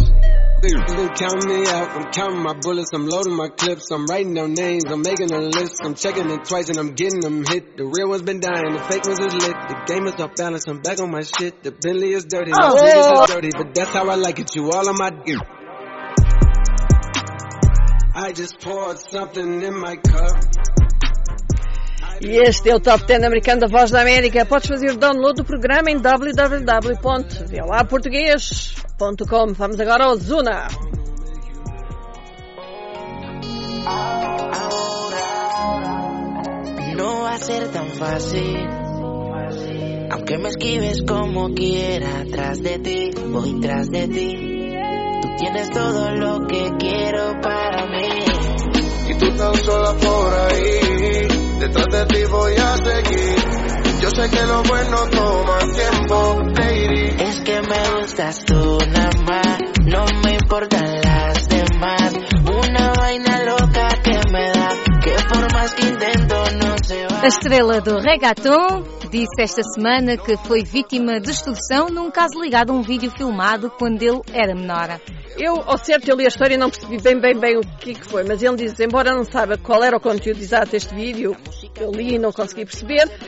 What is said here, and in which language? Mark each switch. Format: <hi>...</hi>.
<en>You can count me out, I'm counting my bullets, I'm loading my clips, I'm writing down names, I'm making a list, I'm checking it twice and I'm getting them hit. The real ones been dying, the fake ones is lit, the game is off balance, I'm back on my shit. The Bentley is dirty, my niggas is dirty, but that's how I like it, you all on my dick. I just poured something in my cup.</en> <pt>E este é o Top 10 americano da Voz da América. Podes fazer o download do programa em www.vlaportugues.com. Vamos agora ao Zuna. Não vai ser tão fácil.</pt> <es>Aunque me esquives como quiera, atrás de ti, voy tras de ti. Tú tienes todo lo que quiero para mí. Y tú tan sola por ahí. Detrás de ti voy a seguir. Yo sé que lo bueno toma tiempo, lady. Es que me gustas tú nada más. No me importan las demás. Una vaina loca que me da. Que por más que intento no se va. La estrella del reggaetón</es> <pt>disse esta semana que foi vítima de extorsão num caso ligado a um vídeo filmado quando ele era menor. Eu, ao certo, eu li a história e não percebi bem o que foi, mas ele diz, embora não saiba qual era o conteúdo exato deste vídeo, eu li e não consegui perceber,</pt>